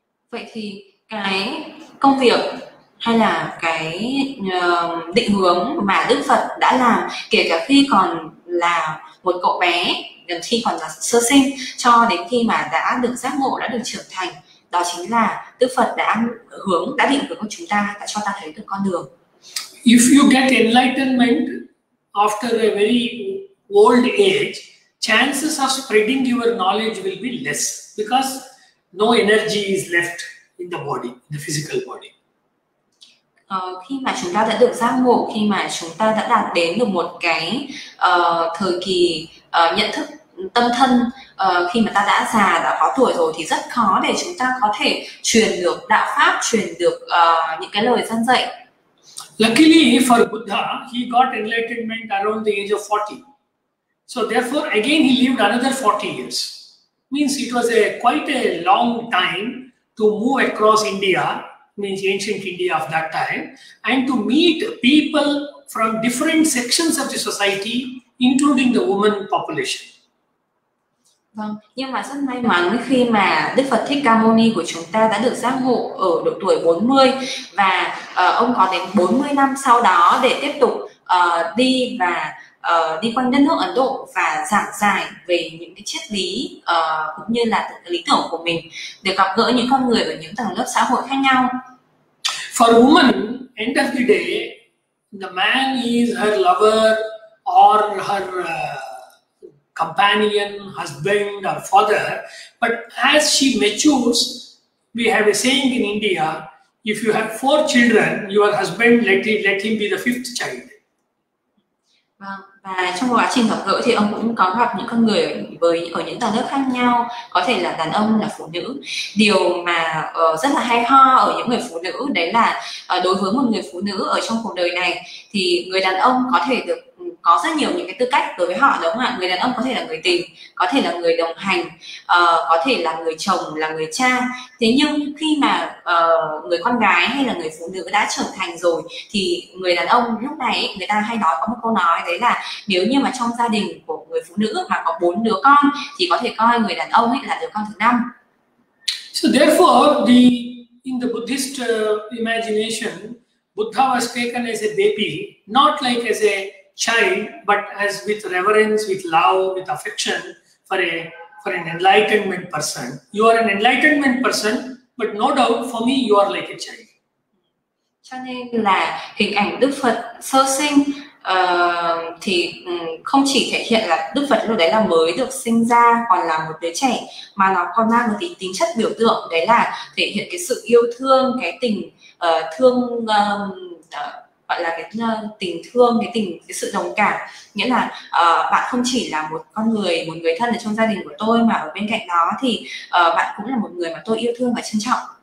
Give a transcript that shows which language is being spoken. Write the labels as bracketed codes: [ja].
[vi] Vậy thì cái công việc hay là cái định hướng mà Đức Phật đã làm, kể cả khi còn là một cậu bé, khi còn là sơ sinh, cho đến khi mà đã được giác ngộ, đã được trưởng thành, đó chính là Đức Phật đã định hướng của chúng ta, đã cho ta thấy được con đường. [en] If you get enlightenment after a very old age, chances of spreading your knowledge will be less because no energy is left in the body, in the physical body. [vi] Khi mà chúng ta đã được giác ngộ, khi mà chúng ta đã đạt đến được một cái thời kỳ nhận thức tâm thân, khi mà ta đã già, đã có tuổi rồi, thì rất khó để chúng ta có thể truyền được đạo pháp, truyền được những cái lời dân dạy. [en] Luckily for Buddha, he got enlightenment around the age of 40. So therefore, again he lived another 40 years. Means it was quite a long time to move across India, means ancient India of that time, and to meet people from different sections of the society, including the woman population. [vi] Vâng, nhưng mà rất may mắn khi mà Đức Phật Thích Ca Mâu Ni của chúng ta đã được giác ngộ ở độ tuổi 40, và ông có đến 40 năm sau đó để tiếp tục đi và đi quanh đất nước Ấn Độ và giảng giải về những cái triết lý cũng như là lý tưởng của mình, để gặp gỡ những con người ở những tầng lớp xã hội khác nhau. [en] For women, end of the day, the man is her lover or her companion, husband or father. But as she matures, we have a saying in India, if you have four children, your husband, let him be the fifth child. [vi] Vâng, và trong quá trình gặp gỡ thì ông cũng có gặp những con người ở những tầng lớp khác nhau, có thể là đàn ông, là phụ nữ. Điều mà rất là hay ho ở những người phụ nữ đấy là đối với một người phụ nữ ở trong cuộc đời này thì người đàn ông có thể được có rất nhiều những cái tư cách đối với họ, đúng không ạ? Người đàn ông có thể là người tình, có thể là người đồng hành, có thể là người chồng, là người cha. Thế nhưng khi mà người con gái hay là người phụ nữ đã trưởng thành rồi thì người đàn ông lúc này người ta hay nói, có một câu nói đấy là nếu như mà trong gia đình của người phụ nữ mà có bốn đứa con thì có thể coi người đàn ông ấy là đứa con thứ năm. [en] So therefore, in the Buddhist imagination, Buddha was taken as a baby, not like as a child, but as with reverence, with love, with affection for an enlightenment person. You are an enlightenment person, but no doubt for me you are like a child. [vi] Cho nên là hình ảnh Đức Phật sơ sinh thì không chỉ thể hiện là Đức Phật lúc đấy là mới được sinh ra, còn là một đứa trẻ, mà nó còn mang một tính chất biểu tượng, đấy là thể hiện cái sự yêu thương, cái tình thương gọi là cái sự đồng cảm, nghĩa là bạn không chỉ là một con người, một người thân ở trong gia đình của tôi, mà ở bên cạnh đó thì bạn cũng là một người mà tôi yêu thương và trân trọng.